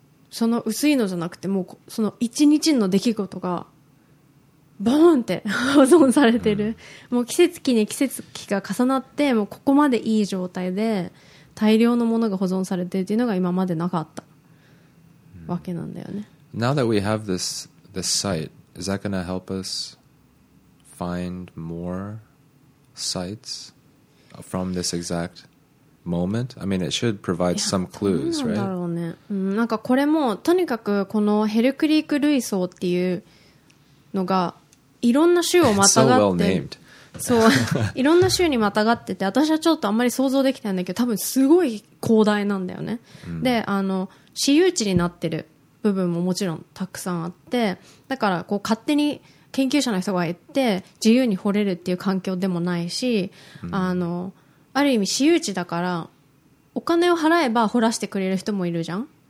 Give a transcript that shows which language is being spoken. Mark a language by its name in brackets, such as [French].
[Japanese] その薄いのじゃなくてもうその一日の出来事がボーンって保存されてる、もう季節期に季節期が重なってもうここまでいい状態で大量のものが保存されてるっていうのが今までなかったわけなんだよね。 [English] Now that we have this site, is that going to help us find more sites from this exact moment? I mean, it should provide some clues, right? [Japanese] なんだろうね。なんかこれもとにかくこのヘルクリーク類層っていうのがいろんな州をまたがって。 [English] So well named. [Japanese] そういろんな州にまたがってて、私はちょっとあんまり想像できないんだけど、多分すごい広大なんだよね、であの私有地になってる部分ももちろんたくさんあって、だからこう勝手に研究者の人が行って自由に掘れるっていう環境でもないし、あのある意味私有地だからお金を払えば掘らせてくれる人もいるじゃん。